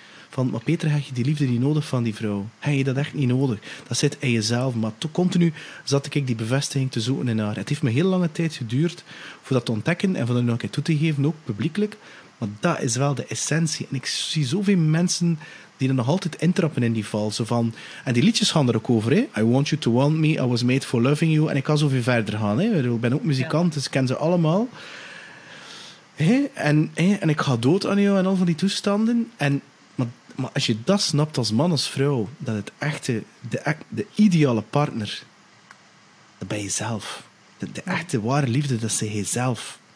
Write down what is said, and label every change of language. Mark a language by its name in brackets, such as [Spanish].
[Dutch] Van, maar Peter, heb je die liefde niet nodig van die vrouw? Heb je dat echt niet nodig? Dat zit in jezelf. Maar toen continu zat ik die bevestiging te zoeken in haar. Het heeft me heel lange tijd geduurd voor dat te ontdekken en voor dat nog een keer toe te geven, ook publiekelijk. Maar dat is wel de essentie. En ik zie zoveel mensen die er nog altijd intrappen in die val. Zo van, en die liedjes gaan er ook over. Hè? [English] I want you to want me, I was made for loving you. [Dutch] En ik kan zoveel verder gaan. Hè? Ik ben ook muzikant, dus ik ken ze allemaal. En ik ga dood aan jou en al van die toestanden. Maar als je dat snapt als man, als vrouw, dat het echte, de ideale partner, dat ben je zelf. De echte ware liefde, dat zeg je zelf.